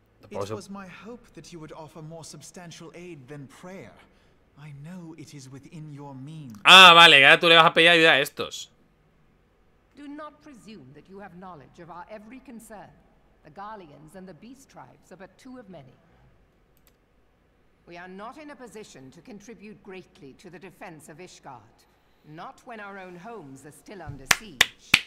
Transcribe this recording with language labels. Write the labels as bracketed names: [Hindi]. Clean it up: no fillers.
[English] It was my hope that you would offer more substantial aid than prayer. I know it is within your means. [Spanish] Ah, vale, ahora tú le vas a pedir ayuda a estos. [English] Do not presume that you have knowledge of our every concern. The Garlians and the Beast Tribes are but two of many. We are not in a position to contribute greatly to the defense of Ishgard. Not when our own homes are still under siege.